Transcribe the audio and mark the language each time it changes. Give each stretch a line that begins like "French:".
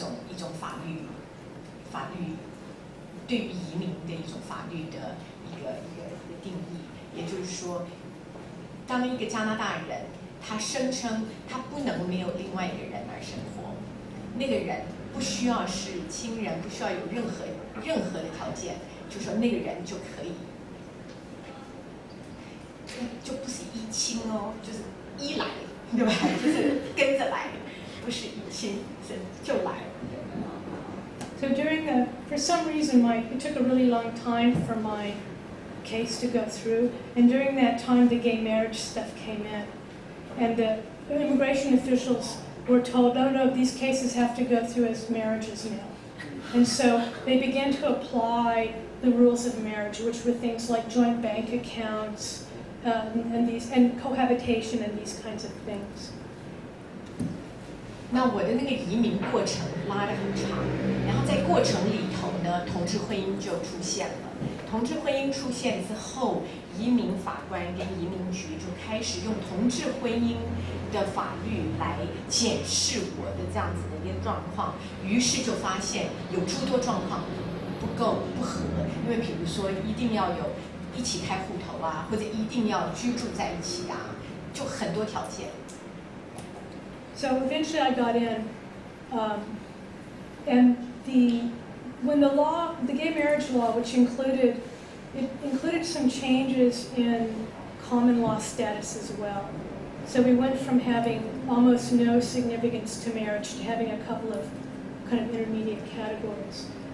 Chinese: 一种法律对于移民的一种法律的一个定义，也就是说，当一个加拿大人，他声称他不能没有另外一个人而生活，那个人不需要是亲人，不需要有任何的条件，就说那个人就可以，就不是依亲哦，就是依来，对吧？就是跟着来，不是依亲，是就来。
English: So during the, for some reason, it took a really long time for my case to go through. And during that time, the gay marriage stuff came in. And the immigration officials were told, oh no, these cases have to go through as marriages now. And so they began to apply the rules of marriage, which were things like joint bank accounts and cohabitation and these kinds of things.
Chinese: 那我的那个移民过程拉得很长，然后在过程里头呢，同志婚姻就出现了。同志婚姻出现之后，移民法官跟移民局就开始用同志婚姻的法律来检视我的这样子的一个状况，于是就发现有诸多状况不够不合，因为比如说一定要有一起开户头啊，或者一定要居住在一起啊，就很多条件。
English: So eventually I got in, and the gay marriage law, which included some changes in common law status as well. So we went from having almost no significance to marriage to having a couple of kind of intermediate categories.